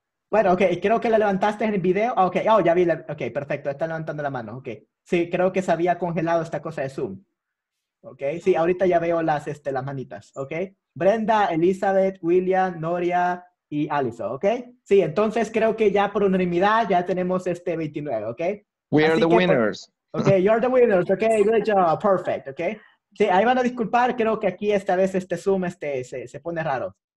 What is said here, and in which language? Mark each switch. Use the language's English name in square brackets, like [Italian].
[Spanish] Bueno, ok, creo que la levantaste en el video. Ok, oh, ya vi, la... ok, perfecto, está levantando la mano, ok. Sí, creo que se había congelado esta cosa de Zoom. Ok, sí, ahorita ya veo las, las manitas, ok. Brenda, Elizabeth, William, Noria y Alison, ok. Sí, entonces creo que ya por unanimidad ya tenemos 29, ok. [English] We are the winners. Ok, you're the winners, ok, good job, perfect, ok. [Spanish] Sí, ahí van a disculpar, creo que aquí esta vez Zoom se pone raro.